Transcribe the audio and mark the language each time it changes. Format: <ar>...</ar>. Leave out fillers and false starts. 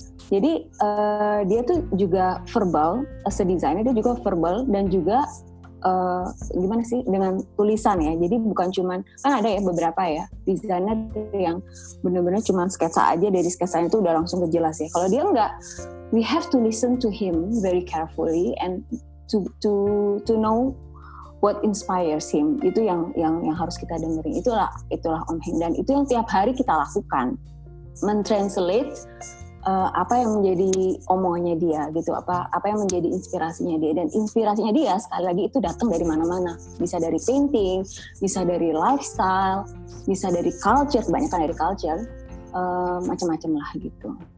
<id>Jadi dia tuh juga verbal,</id> <en>as a designer</en> <id>dia juga verbal dan juga gimana sih, dengan tulisan ya. Jadi bukan cuman, kan ada ya beberapa ya desainer yang benar-benar cuman sketsa aja, dari sketsanya itu udah langsung kejelas ya. Kalau dia enggak,</id> <en>we have to listen to him very carefully and to know what inspires him.</en> <id>Itu yang harus kita dengerin. Itulah Om Hen, dan itu yang tiap hari kita lakukan, mentranslate apa yang menjadi omongannya dia gitu, apa yang menjadi inspirasinya dia. Dan inspirasinya dia sekali lagi itu datang dari mana-mana, bisa dari painting, bisa dari lifestyle, bisa dari culture, kebanyakan dari culture, macam-macam lah gitu.</id>